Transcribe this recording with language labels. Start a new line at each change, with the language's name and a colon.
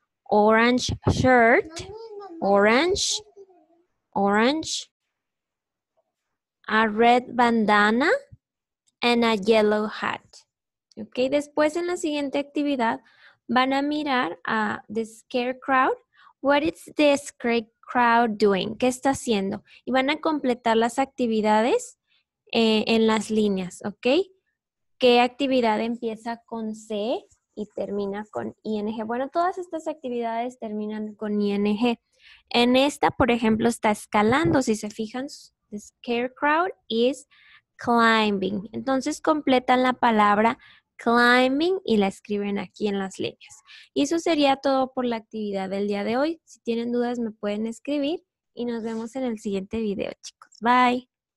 English: Orange shirt, orange, orange, a red bandana, and a yellow hat.
Spanish: Okay, después en la siguiente actividad van a mirar a
English: the scarecrow. What is the scarecrow doing?
Spanish: ¿Qué está haciendo? Y van a completar las actividades en las líneas, ¿ok? ¿Qué actividad empieza con C y termina con ING? Bueno, todas estas actividades terminan con ING. En esta, por ejemplo, está escalando. Si se fijan,
English: the scarecrow is climbing.
Spanish: Entonces, completan la palabra climbing y la escriben aquí en las líneas. Y eso sería todo por la actividad del día de hoy. Si tienen dudas me pueden escribir y nos vemos en el siguiente video, chicos. Bye.